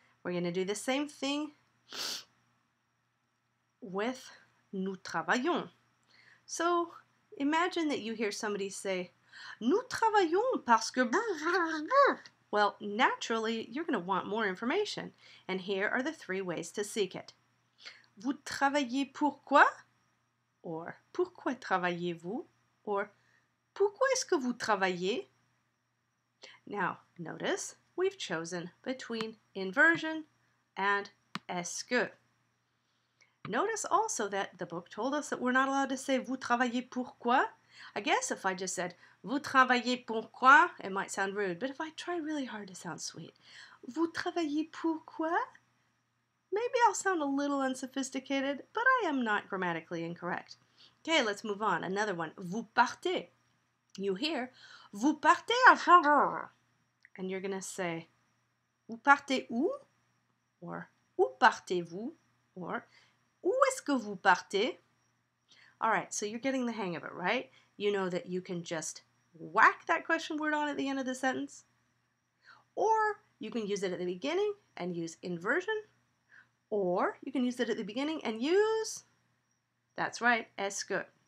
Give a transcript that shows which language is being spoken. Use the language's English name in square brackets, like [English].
[English] We're going to do the same thing with [French] nous travaillons. [English] So imagine that you hear somebody say, [French] nous travaillons parce que blah, blah, blah. [English] Well, naturally, you're going to want more information. And here are the three ways to seek it. [French] Vous travaillez pourquoi? Or, pourquoi travaillez-vous? Or, pourquoi est-ce que vous travaillez? [English] Now, notice we've chosen between inversion and est-ce que. Notice also that the book told us that we're not allowed to say [French] vous travaillez pourquoi. [English] I guess if I just said [French] vous travaillez pourquoi, [English] it might sound rude. But if I try really hard to sound sweet, [French] vous travaillez pourquoi, [English] maybe I'll sound a little unsophisticated, but I am not grammatically incorrect. Okay, let's move on. Another one, [French] vous partez. [English] You hear, [French] vous partez à Chambord. [English] And you're going to say, [French] vous partez où? Or, où partez-vous? Or, où est-ce que vous partez? [English] All right, so you're getting the hang of it, right? You know that you can just whack that question word on at the end of the sentence. Or you can use it at the beginning and use inversion. Or you can use it at the beginning and use, that's right, est-ce que.